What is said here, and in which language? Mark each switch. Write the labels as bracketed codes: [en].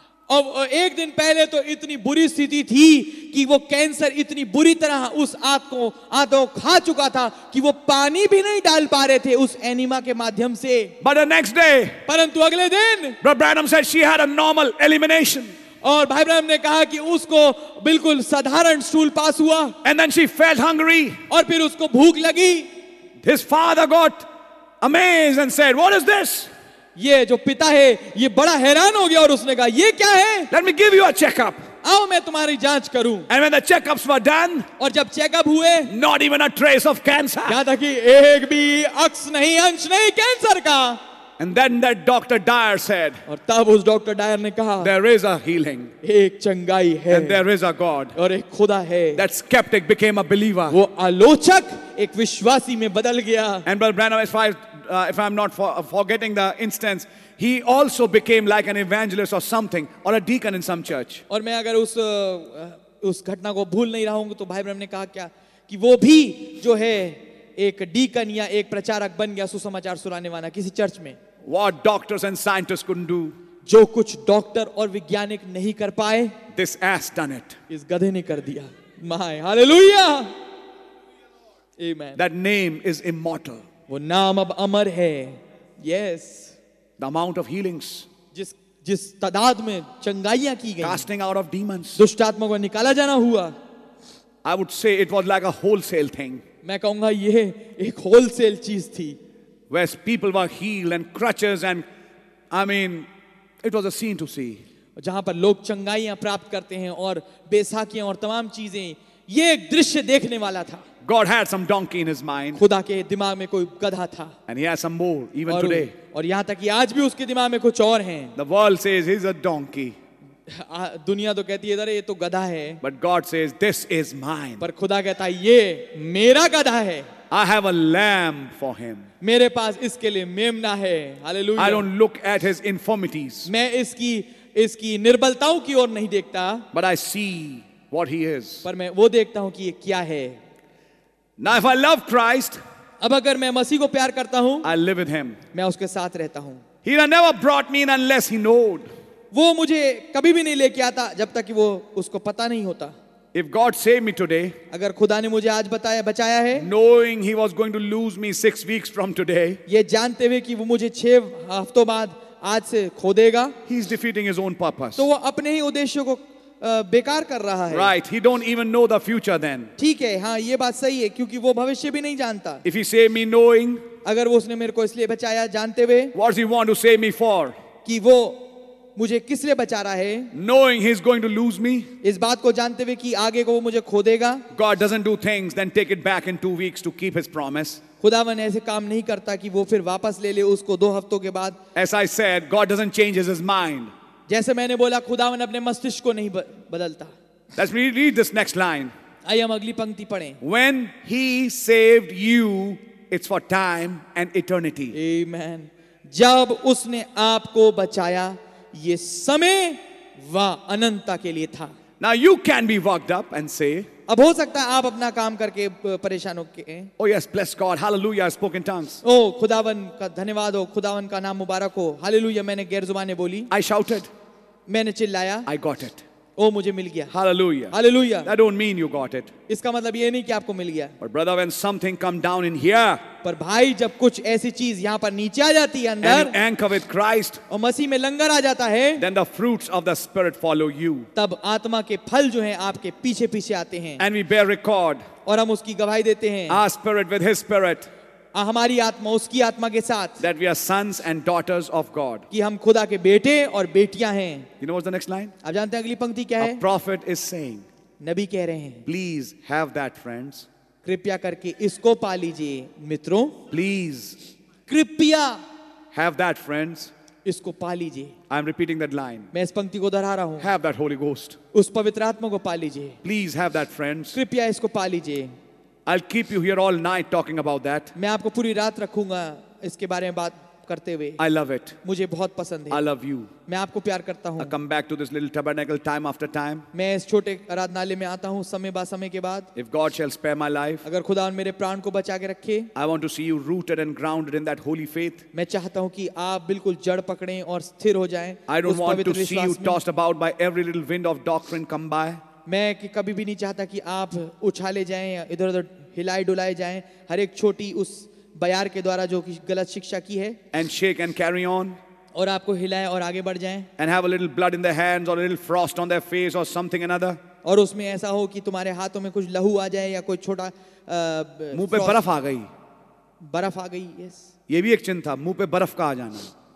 [hi] अब एक दिन पहले तो इतनी बुरी स्थिति थी कि वो कैंसर इतनी बुरी तरह उस आंतों खा चुका था कि वो पानी भी नहीं डाल पा रहे थे उस एनिमा के माध्यम से. [en] But the next day, [hi] परंतु अगले दिन, [en] Brother Branham said she had a normal elimination. [hi] और भाई ब्रह्म ने कहा कि उसको बिल्कुल साधारण स्टूल पास हुआ. [en] And then she felt hungry. [hi] और फिर उसको भूख लगी. [en] His father got amazed and said, "What is this?" [hi] ये जो पिता है ये बड़ा हैरान हो गया और उसने कहा ये क्या है. [en] Let me give you a checkup. [hi] आओ मैं तुम्हारी जांच करूं. [en] And when the checkups were done, [hi] और जब चेकअप हुए, [en] not even a trace of cancer. [hi] याद है कि एक भी अक्ष नहीं, अंश नहीं कैंसर का. [en] And then that Dr. Dyer said, [hi] और तब उस डॉक्टर डायर ने कहा, [en] there is a healing. [hi] एक चंगाई है. [en] And there is a God. [hi] और एक खुदा है. [en] That skeptic became a believer. [hi] वो आलोचक एक विश्वासी में बदल गया. [en] And Brother Branham, if I'm not forgetting the instance, he also became like an evangelist or something, or a deacon in some church. [hi] और मैं अगर उस घटना को भूल नहीं रहा हूँ तो भाई ब्रह्म ने कहा क्या कि वो भी जो है एक डीकन या एक प्रचारक बन गया सुसमाचार सुनाने वाला किसी चर्च में. [en] What doctors and scientists couldn't do. [hi] जो कुछ डॉक्टर और वैज्ञानिक नहीं कर पाए. [en] This ass done it. [hi] इस गधे ने कर दिया. [en] My hallelujah. Amen. That name is immortal. [hi] वो नाम अब अमर है. [en] Yes. The amount of healings. [hi] जिस तादाद में चंगाइयां की गई. [en] Casting out of demons. [hi] दुष्टात्मा को निकाला जाना हुआ. [en] I would say it was like a wholesale thing. [hi] मैं कहूंगा यह एक होलसेल चीज थी. [en] Whereas people were healed and crutches and I mean it was a scene to see. [hi] जहां पर लोग चंगाइयां प्राप्त करते हैं और बेसाखियां और तमाम चीजें, ये एक दृश्य देखने वाला था. [en] God had some donkey in his mind. [hi] खुदा के दिमाग में कोई गधा था. [en] And he has some more even today. [hi] और यहां तक कि आज भी उसके दिमाग में कुछ और हैं. [en] The world says he's a donkey. [hi] दुनिया तो कहती है अरे ये तो गधा है. [en] But God says this is mine. [hi] पर खुदा कहता है ये मेरा गधा है. [en] I have a lamb for him. [hi] मेरे पास इसके लिए मेमना है. [en] Hallelujah. I don't look at his infirmities. [hi] मैं इसकी निर्बलताओं की ओर नहीं देखता. [en] But I see what he is. [hi] पर मैं वो देखता हूँ कि ये क्या है. [en] Now if I love Christ, [hi] अब अगर मैं मसीह को प्यार करता हूँ, [en] I live with him. [hi] मैं उसके साथ रहता हूँ. [en] He never brought me in unless he knowed. [hi] वो मुझे कभी भी नहीं लेके आता जब तक कि वो उसको पता नहीं होता. [en] If God saved me today, [hi] अगर खुदा ने मुझे आज बताया बचाया है, [en] knowing he was going to lose me 6 weeks from today, [hi] ये जानते हुए कि वो मुझे 6 हफ्तों बाद आज से खो देगा, [en] he is defeating his own purpose. [hi] तो वो अपने ही उद्देश्यों को बेकार कर रहा है. [en] Right, he don't even know the future then. [hi] ठीक है, हाँ ये बात सही है क्योंकि वो भविष्य भी नहीं जानता. [en] If he saved me knowing, [hi] अगर वो उसने मेरे को इसलिए बचाया जानते हुए, [en] what does he want to save me for? [hi] कि वो मुझे किस लिए बचा रहा है. [en] Knowing he's going to lose me, [hi] इस बात को जानते हुए कि आगे को वो मुझे खो देगा. [en] God doesn't do things then take it back in 2 weeks to keep his promise. [hi] खुदावन ऐसे काम नहीं करता कि वो फिर वापस ले ले उसको 2 हफ्तों के बाद. [en] As I said, God doesn't change his mind. [hi] जैसे मैंने बोला खुदावन अपने मस्तिष्क को नहीं बदलता. [en] Let's read this next line. [hi] आइए हम अगली पंक्ति पढ़ें. [en] When he saved you, it's for time and eternity. Amen. [hi] जब उसने आपको बचाया ये समय व अनंतता के लिए था. [en] Now you can be worked up and say, [hi] अब हो सकता है आप अपना काम करके परेशान हो के, [en] oh yes, bless God, hallelujah, I spoke in tongues. [hi] ओ खुदावन का धन्यवाद हो, खुदावन का नाम मुबारक हो, hallelujah, मैंने गैर जुबाने बोली. [en] I shouted. [hi] मैंने चिल्लाया. [en] I got it. [hi] ओ मुझे मिल गया. [en] Hallelujah. Hallelujah. That don't mean you got it. [hi] इसका मतलब ये नहीं कि आपको मिल गया. [en] But brother, when something come down in here, [hi] पर भाई जब कुछ ऐसी चीज यहाँ पर नीचे आ जाती है अंदर, [en] and you anchor with Christ, [hi] और मसीह में लंगर आ जाता है, [en] then the fruits of the Spirit follow you. [hi] तब आत्मा के फल जो हैं आपके पीछे पीछे आते हैं. [en] And we bear record. [hi] और हम उसकी गवाही देते हैं. [en] Our spirit with His spirit. [hi] हमारी आत्मा उसकी आत्मा के साथ. [en] That we are sons and daughters of God. [hi] कि हम खुदा के बेटे और बेटियां हैं. [en] You know what's the next line? [hi] आप जानते हैं अगली पंक्ति क्या है? [en] A prophet is saying. [hi] नबी कह रहे हैं. [en] Please have that, friends. [hi] कृपया करके इसको पा लीजिए मित्रों. [en] Please. [hi] कृपया. [en] Have that, friends. [hi] इसको पा लीजिए. [en] I am repeating that line. [hi] मैं इस पंक्ति को दोहरा रहा हूँ. [en] Have that Holy Ghost. [hi] उस पवित्र आत्मा को पा लीजिए. [en] Please have that, friends. [hi] कृपया इसको पा लीजिए. [en] I'll keep you here all night talking about that. [hi] मैं आपको पूरी रात रखूंगा इसके बारे में बात करते हुए. [en] I love it. [hi] मुझे बहुत पसंद है. [en] I love you. [hi] मैं आपको प्यार करता हूँ. [en] I come back to this little tabernacle time after time. [hi] मैं इस छोटे आराधनालय में आता हूँ समय बा समय के बाद. [en] If God shall spare my life, [hi] अगर खुदा मेरे प्राण को बचा के रखे, [en] I want to see you rooted and grounded in that holy faith. [hi] मैं चाहता हूँ कि आप बिल्कुल जड़ पकड़ें और स्थिर हो जाएं. [en] I don't want to see you tossed about by every little wind of doctrine come by. [hi] मैं कि कभी भी नहीं चाहता कि आप उछाले जाएं या इधर उधर हिलाए डुलाए जाएं हर एक छोटी उस बयार के द्वारा जो कि गलत शिक्षा की है. [en] And shake and carry on. [hi] और आपको हिलाए और आगे बढ़ जाएं. [en] And have a little blood in their hands or a little frost on their face or something another. [hi] और उसमें ऐसा हो कि तुम्हारे हाथों में कुछ लहू आ जाए या कोई छोटा मुंह पे बर्फ आ गई. बर्फ आ गई. [en] yes, [hi] ये भी एक चिंता, मुंह पे बर्फ का आ जाना.